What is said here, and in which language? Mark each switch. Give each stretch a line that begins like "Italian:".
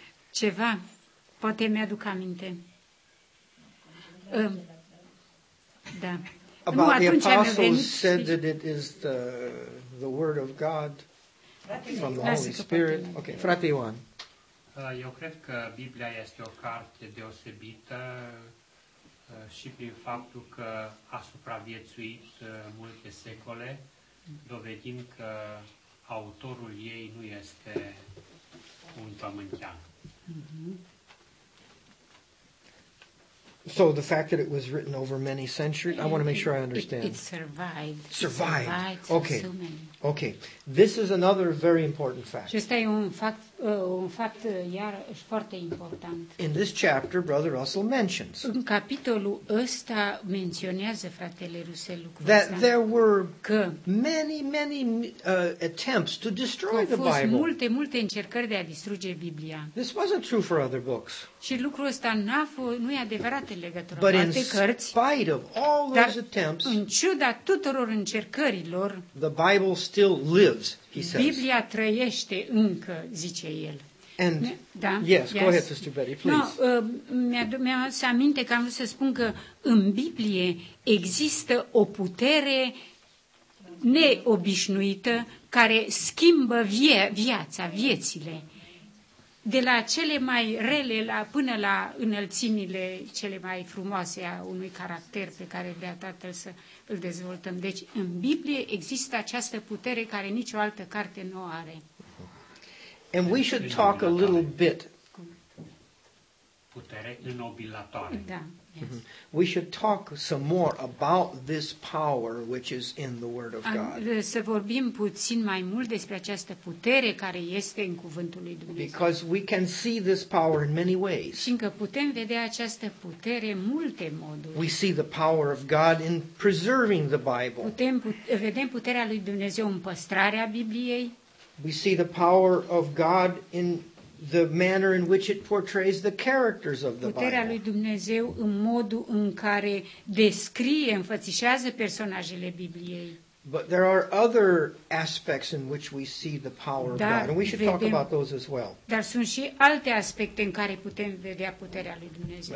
Romanian: Ceva, poate mi-aduc aminte. Da.
English: About
Romanian: nu,
English: the apostles
Romanian: venit,
English: said that it is the word of God from the Holy Spirit. Okay, frate Ioan.
Romanian: Eu cred că Biblia este o carte deosebită și prin faptul că a supraviețuit multe secole, dovedind că autorul ei nu este un pământean.
English: So the fact that it was written over many centuries, I want to make sure I understand. It survived. Survived. Okay. So many. Okay. This is another very important fact.
Romanian: Acesta e un fapt iarăși foarte important.
English: In this chapter, Brother Russell mentions.
Romanian: În capitolul ăsta menționează fratele Russell lucrul ăsta.
English: That there were many attempts to destroy the Bible.
Romanian: Au fost multe încercări de a distruge Biblia.
English: This wasn't true for other books.
Romanian: Și lucrul ăsta nu e adevărat.
English: But in spite of all those attempts,
Romanian: în ciuda tuturor încercărilor,
English: the Bible still lives, he says.
Romanian: Biblia trăiește încă, zice el.
English: And
Romanian: da?
English: Yes, go ahead, Sister Betty, please.
Romanian: No, mi-a adus aminte că am vrut să spun că în Biblie există o putere neobișnuită care schimbă viața, viețile. De la cele mai rele până la înălțimile cele mai frumoase a unui caracter pe care de-a Tatăl să îl dezvoltăm. Deci în Biblie există această putere care nicio altă carte nu are.
English: And we should talk a little bit.
Romanian: Putere înnobilatoare. Da.
English: We should talk some more about this power which is in the Word of God.
Romanian: Să vorbim puțin mai mult despre această putere care este în cuvântul lui Dumnezeu.
English: Because we can see this power in many ways.
Romanian: Fiindcă putem vedea această putere în multe moduri.
English: We see the power of God in preserving the Bible.
Romanian: Vedem puterea lui Dumnezeu în păstrarea Bibliei.
English: We see the power of God in the manner in which it portrays the characters of the Bible.
Romanian: Puterea lui Dumnezeu în modul în care descrie, înfățișează personajele Bibliei.
English: But there are other aspects in which we see the power of God, and we should talk about those as well.
Romanian: Dar sunt și alte aspecte în care putem vedea puterea lui Dumnezeu.